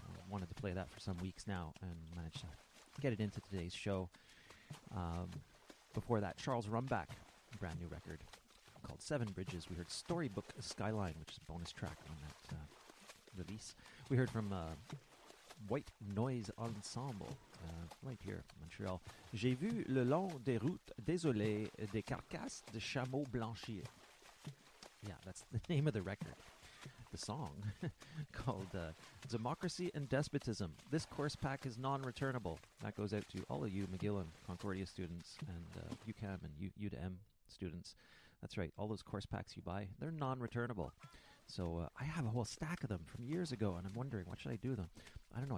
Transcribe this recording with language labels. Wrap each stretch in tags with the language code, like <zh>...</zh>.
<en>Wanted to play that for some weeks now and managed to get it into today's show. Before that, Charles Rumbach. Brand new record called Seven Bridges. We heard Storybook Skyline, which is a bonus track on that release. We heard from White Noise Ensemble right here in Montreal.</en> <fr>J'ai vu le long des routes désolées des carcasses de chameaux blanchis.</fr> <en>Yeah, that's the name of the record. The song called Democracy and Despotism. This course pack is non-returnable. That goes out to all of you McGill and Concordia students and UCAM and U to M. Students. That's right. All those course packs you buy, they're non-returnable. So I have a whole stack of them from years ago, and I'm wondering, what should I do with them? I don't know.</en>